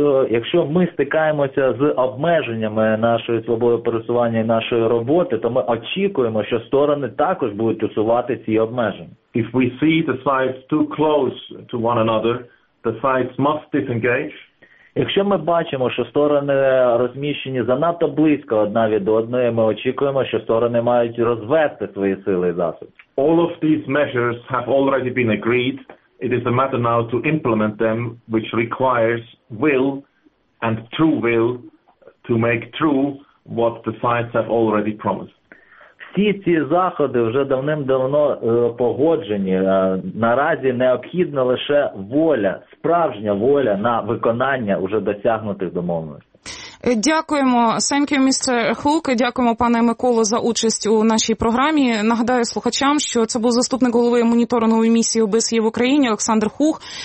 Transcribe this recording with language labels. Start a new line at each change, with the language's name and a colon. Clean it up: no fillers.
Ukrainian: Якщо ми стикаємося з обмеженнями нашої свободи пересування і нашої роботи, то ми очікуємо, що сторони також будуть усувати ці обмеження.
English: If we see the sides too close to one another, the sides must disengage.
Ukrainian: Якщо ми бачимо, що сторони розміщені занадто близько одна від одної, ми очікуємо, що сторони мають розвести свої сили і засоби.
English: All of these measures have already been agreed. It is a matter now to implement them, which requires will and true will to make true what the sides have already promised.
Ukrainian: Всі ці заходи вже давним-давно погоджені. Наразі необхідна лише воля, справжня воля на виконання вже досягнутих домовленостей.
English: Дякуємо. Thank you, Mr. Hook.
Ukrainian: Дякуємо, пане Миколо, за участь у нашій програмі. Нагадаю слухачам, що це був заступник голови моніторингової місії ОБСЄ в Україні Олександр Хух.